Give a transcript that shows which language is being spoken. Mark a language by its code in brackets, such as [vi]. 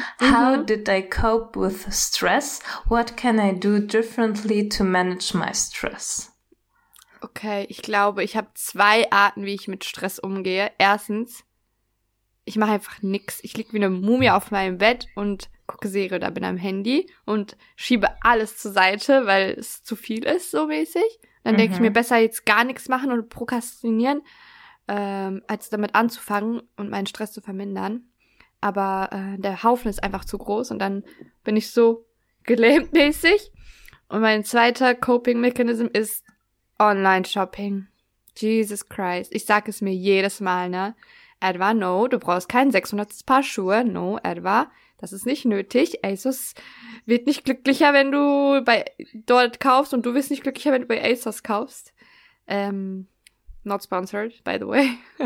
[en] How did I cope with stress? What can I do differently to manage my stress? [de] Okay, ich glaube, ich habe zwei Arten, wie ich mit Stress umgehe. Erstens, ich mache einfach nichts. Ich liege wie eine Mumie auf meinem Bett und gucke Serie oder bin am Handy und schiebe alles zur Seite, weil es zu viel ist, so mäßig. Dann denke ich mir, besser jetzt gar nichts machen und prokrastinieren, als damit anzufangen und meinen Stress zu vermindern. Aber der Haufen ist einfach zu groß und dann bin ich so gelähmtmäßig. Und mein zweiter Coping-Mechanism ist Online-Shopping. Jesus Christ. Ich sage es mir jedes Mal, ne? Edwa, no, du brauchst kein 600. Paar Schuhe. No, Edwa. Das ist nicht nötig. ASOS wird nicht glücklicher, wenn du bei dort kaufst und du wirst nicht glücklicher, wenn du bei ASOS kaufst. [en] Not sponsored, by the way.